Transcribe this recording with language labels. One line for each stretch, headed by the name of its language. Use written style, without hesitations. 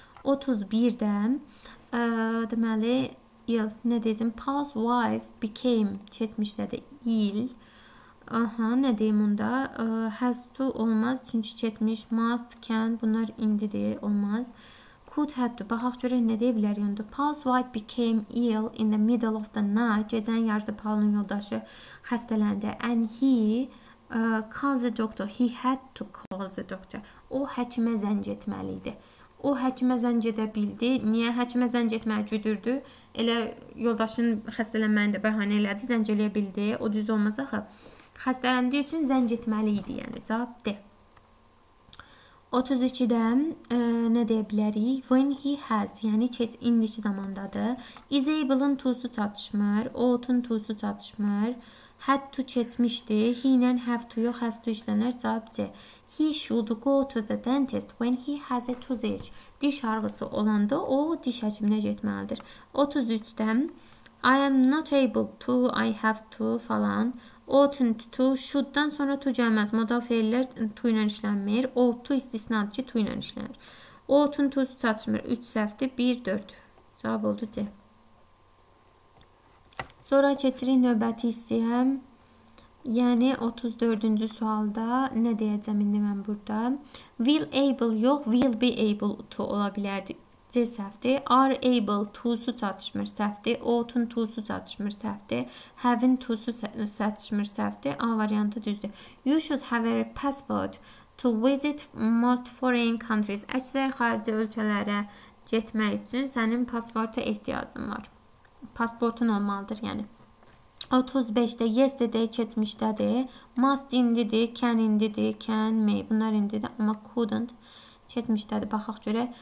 Azerbaijani: 31-də deməli, il. Nə deyəcəm? Paul's wife became keçmişdədir. İl. Aha, nə deyim onda? Has to olmaz. Çünki keçmiş. Must, can. Bunlar indidir. Olmaz. Could have to. Baxaq görə nə deyə bilər yəndə.
English: Paul's wife became ill in the middle of the night.
Azerbaijani: Gecənin yarısı Paul'un yoldaşı xəstələndi.
English: And he calls the doctor. He had to call the doctor.
Azerbaijani: O həkimə zəng etməli idi. O həkimə zəng edə bildi. Niyə həkimə zəng etməyə güdürdü? Elə yoldaşın xəstələnməyini də bəhanə elədi. Zəng eləyə bildi. O düz olmaz axı. Xəstələndiyi üçün zəng etməli idi. Yəni cavab D. 32-də nə deyə bilərik? When he has, yəni indiki zamandadır. Is able-ın to-su çatışmır. Ought-ın to-su çatışmır. Had to keçmişdi. He ilə have to yox, has to işlənər. Cavab C.
English: He should go to the dentist when he has a toothache.
Azerbaijani: Diş ağrısı olanda o diş həkiminə getməlidir. 33-də I am not able to, I have to falan. Oughtn't to, should-dan sonra to gəlməz. Modal fiillər to ilə işlənmir. Ought to istisnadır ki, to ilə işlənir. Oughtn't to çatışmır. 3 səhvdir. 1, 4. Cavab oldu C. Sonra keçirik növbəti hissəyəm. Yəni 34-cü sualda nə deyəcəm indi mən burada? Will able yox, will be able to ola bilərdi. C səhvdir. Are able to-su çatışmır səhvdir. Ought-un to-su çatışmır səhvdir. Have-in to-su çatışmır səhvdir. A variantı düzdür.
English: You should have a passport to visit most foreign countries.
Azerbaijani: Əksər xarici ölkələrə getmək üçün sənin pasporta ehtiyacın var. Pasportun olmalıdır yəni. 35-də yesterday keçmişdədir. Must indidir, can indidir, can, may. Bunlar indidir amma couldn't. Keçmişdədir. Baxaq görə.